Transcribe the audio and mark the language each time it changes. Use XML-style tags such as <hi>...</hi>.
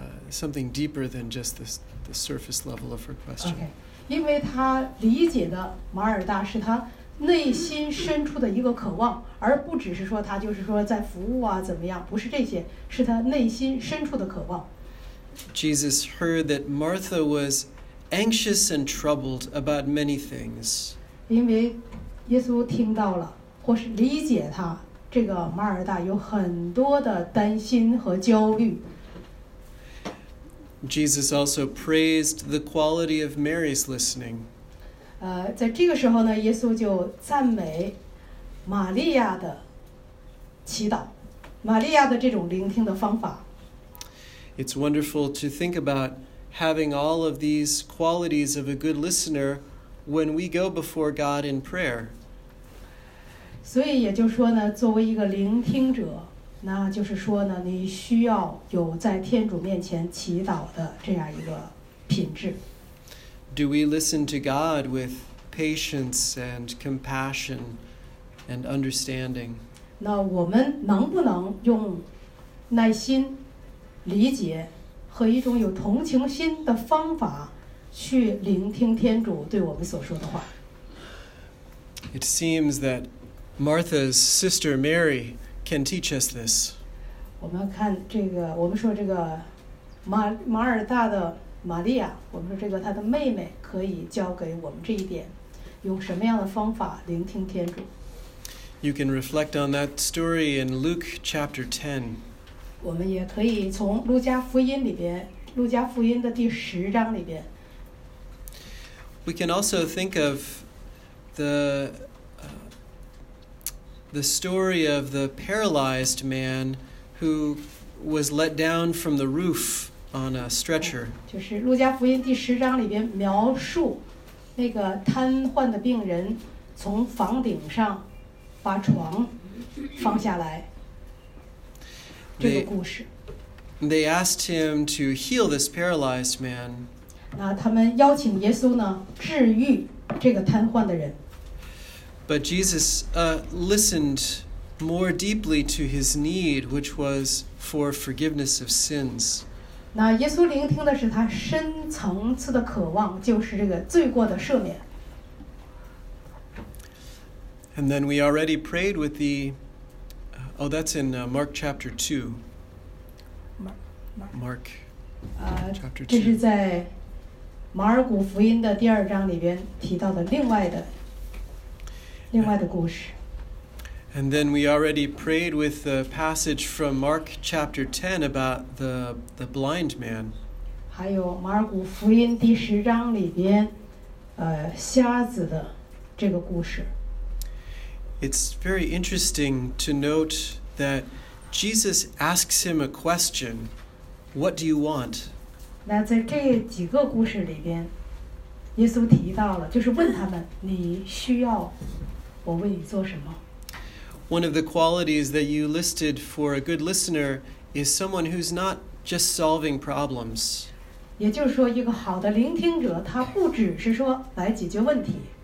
<en>something deeper than just the surface level of her question.</en> <zh>Okay, 因为他理解的马尔大是他。内心深处的一个渴望，而不只是说他就是说在服务啊怎么样，不是这些，是他内心深处的渴望。</zh> <en>Jesus heard that Martha was anxious and troubled about many things.</en> <zh>因为耶稣听到了，或是理解他，这个马尔大有很多的担心和焦虑。</zh> <en>Jesus also praised the quality of Mary's listening.</en> <zh>在这个时候呢，耶稣就赞美玛利亚的祈祷，玛利亚的这种聆听的方法。</zh> <en>It's wonderful to think about having all of these qualities of a good listener when we go before God in prayer.</en> <zh>所以也就是说呢，作为一个聆听者，那就是说呢，你需要有在天主面前祈祷的这样一个品质。</zh> <en>Do we listen to God with patience and compassion and understanding?</en> <zh>那我们能不能用耐心、理解和一种有同情心的方法去聆听天主对我们所说的话？</zh> <en>It seems that Martha's sister Mary can teach us this.</en> <zh>我们看这个，我们说这个马尔大的玛利亚，我们说这个她的妹妹可以教给我们这一点，用什么样的方法聆听天主？</zh> <en>You can reflect on that story in Luke chapter 10.</en> <zh>我们也可以从路加福音里边，路加福音的第十章里边。</zh> <en>We can also think of the story of the paralyzed man who was let down from the roof on a stretcher.</en> <zh>就是路加福音第十章里边描述那个瘫痪的病人从房顶上把床放下来这个故事。</zh> <en>They asked him to heal this paralyzed man.</en> <zh>那他们邀请耶稣呢治愈这个瘫痪的人。</zh> <en>But Jesus listened more deeply to his need, which was for forgiveness of sins.</en> <zh>那耶稣聆听的是他深层次的渴望，就是这个罪过的赦免。</zh> <en>And then we already prayed with the, oh, that's in Mark chapter 2. Mark chapter</en> <zh>2. 这是在马尔古福音的第二章里边提到的另外的。</zh> <en>And then we already prayed with the passage from Mark chapter 10 about the blind man.</en> <zh>还有马尔古福音第十章里边，瞎子的这个故事。</zh> <en>It's very interesting to note that Jesus asks him a question, "What do you want?"</en> <zh>那在这几个故事里边，耶稣提到了，就是问他们，你需要。我为你做什么？</zh> <en>One of the qualities that you listed for a good listener is someone who's not just solving problems.</en> <zh>也就是说，一个好的聆听者，他不只是说来解决问题。</zh>